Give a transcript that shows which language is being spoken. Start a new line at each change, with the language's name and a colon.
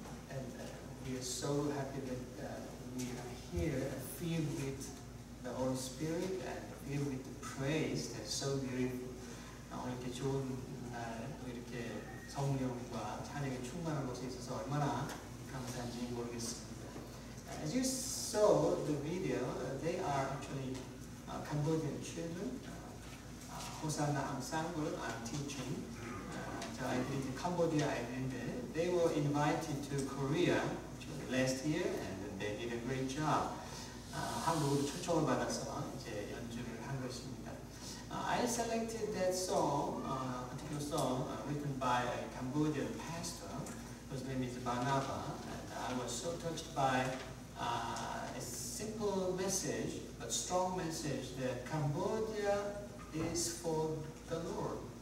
English: And we are so happy that we are here, filled with the Holy Spirit and filled with the praise. That's so beautiful.
Korean: 이렇게 좋은 이렇게 성령과 찬양이 충만한 곳에 있어서 얼마나 감사한지 모르겠습니다.
English: As you saw the video, they are actually Cambodian children. Hosanna ensemble I'm teaching. So I did Cambodia I did. They were invited to Korea last year and they did a great job.
Korean: 한국으로 초청을 받아서 이제 연주를 한 것입니다.
English: I selected that song, particular song written by a Cambodian pastor whose name is Banaba, and I was so touched by a simple message, but strong message that Cambodia is for the Lord.